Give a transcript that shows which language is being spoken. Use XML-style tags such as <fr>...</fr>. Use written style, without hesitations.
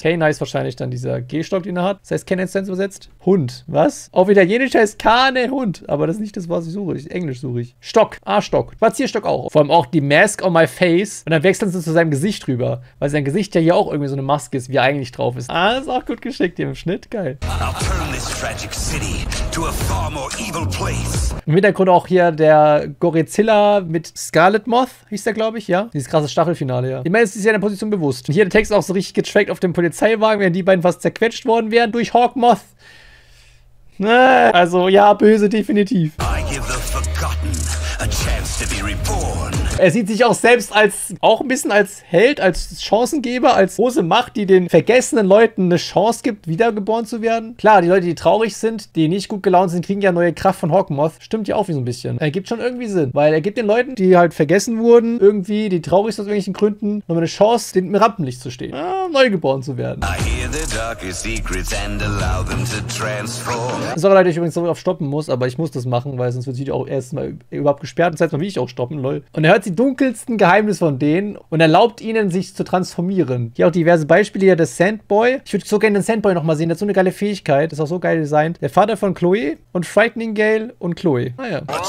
<de>Cane heißt wahrscheinlich dann dieser Gehstock, den er hat. Das heißt, Cane in Sense übersetzt. Hund. Was? Auf Italienisch heißt Cane Hund. Aber das ist nicht das, was ich suche. Englisch suche ich. Stock. Arschstock. Spazierstock auch. Vor allem auch die</de> <en>Mask on my face.</en> <de>Und dann wechseln sie zu seinem Gesicht rüber. Weil sein Gesicht ja hier auch irgendwie so eine Maske ist, wie er eigentlich drauf ist. Ah, ist auch gut geschickt hier im Schnitt. Geil.</de> <en>I'll turn this tragic city to a far more evil place.</en> <de>Im Hintergrund auch hier der Gorizilla mit Scarlet Moth, hieß der, glaube ich, ja? Dieses krasse Staffelfinale, ja. Ich meine, es ist ja in der Position bewusst. Und hier der Text auch so richtig getrackt auf dem Polizeiwagen, während die beiden fast zerquetscht worden wären durch Hawkmoth. Also, ja, böse, definitiv.</de> <en>I give the forgotten a chance to be reborn.</en> <de>Er sieht sich auch selbst als, auch ein bisschen als Held, als Chancengeber, als große Macht, die den vergessenen Leuten eine Chance gibt, wiedergeboren zu werden. Klar, die Leute, die traurig sind, die nicht gut gelaunt sind, kriegen ja neue Kraft von Hawkmoth. Stimmt ja auch wie so ein bisschen. Er gibt schon irgendwie Sinn, weil er gibt den Leuten, die halt vergessen wurden, irgendwie, die traurig sind aus irgendwelchen Gründen, nochmal eine Chance, dem Rampenlicht zu stehen. Ja, neugeboren zu werden.</de> <en>I hear the darkest secrets and allow them to transform.</en> <de>Sorry, Leute, ich übrigens so auf stoppen muss, aber ich muss das machen, weil sonst wird sich auch erstmal überhaupt gesperrt und zweitens mal, wie ich auch stoppen, lol. Und er hört sich die dunkelsten Geheimnisse von denen und erlaubt ihnen, sich zu transformieren. Hier auch diverse Beispiele, hier der Sandboy. Ich würde so gerne den Sandboy nochmal sehen, der hat so eine geile Fähigkeit. Das ist auch so geil designt. Der Vater von Chloe und Frightening Gale und Chloe. Ah ja.</de>